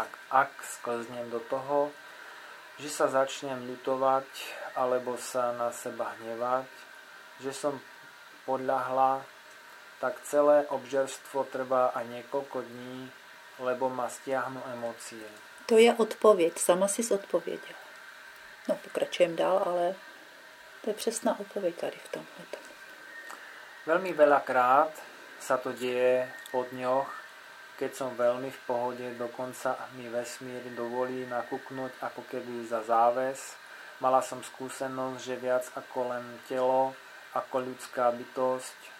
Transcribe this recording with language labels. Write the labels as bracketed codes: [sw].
[sk] Ak sklznem do toho, že sa začnem ľutovať alebo sa na seba hnevať, že som podľahla, tak celé obžerstvo trvá aj niekoľko dní, lebo ma stiahnu emócie. To je odpoveď, sama si zodpovedela. [cs] No, [sk] pokračujem [cs] dál, ale to je [sk] presná odpoveď [cs] tady v tomhle. [sk] Veľmi veľakrát sa to deje po dňoch, keď som veľmi v pohode, dokonca mi vesmír dovolí nakúknuť ako keby za záves. Mala som skúsenosť, že viac ako len telo, ako ľudská bytosť.